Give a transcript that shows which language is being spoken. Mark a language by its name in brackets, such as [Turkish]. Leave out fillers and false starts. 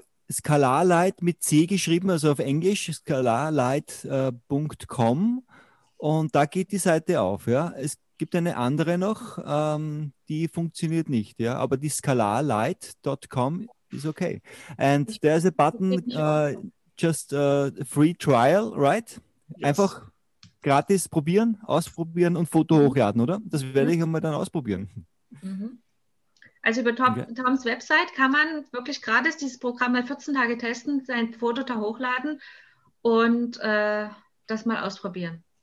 [German] Skalarlight mit C geschrieben, also auf Englisch, skalarlight.com. Und da geht die Seite auf, ja. Es gibt eine andere noch, die funktioniert nicht, ja. Aber die skalarlight.com ist okay. [English] And there's a button, just a free trial, right? Yes. [German] Einfach gratis probieren, ausprobieren und Foto hochladen, oder? Das werde ich einmal dann ausprobieren. Also über Toms Website kann man wirklich gratis dieses Programm mal 14 Tage testen, sein Foto da hochladen und das mal ausprobieren.